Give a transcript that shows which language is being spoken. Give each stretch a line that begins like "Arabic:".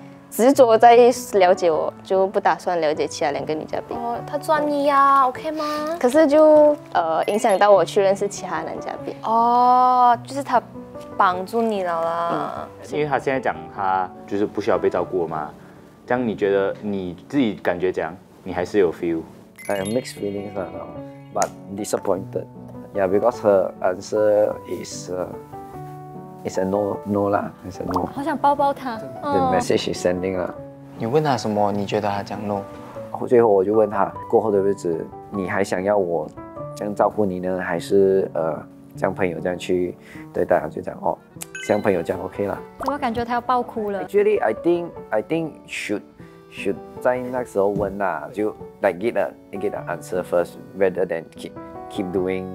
Chinese: 执着在了解我，就不打算了解其他两个女嘉宾。哦，他专一啊 ，OK 吗？可是就影响到我去认识其他男嘉宾。哦，就是他绑住你了啦。因为他现在讲他就是不需要被照顾嘛，这样你觉得你自己感觉怎样？你还是有 feel？
English: I have mixed feelings right now, but disappointed. Yeah, because her answer is. It's a no, no lah. It's a no.
Chinese: 好想抱抱他。
English: The message she's sending lah.
Chinese: 你问他什么？你觉得他讲 no？最后我就问他，过后的日子，你还想要我这样照顾你呢，还是像朋友这样去对待？就讲哦，像朋友这样 OK 了。怎么感觉他要爆哭了
English: ？Actually, I think should
Chinese: 在那时候问啦，就
English: like get an answer first, rather than keep doing,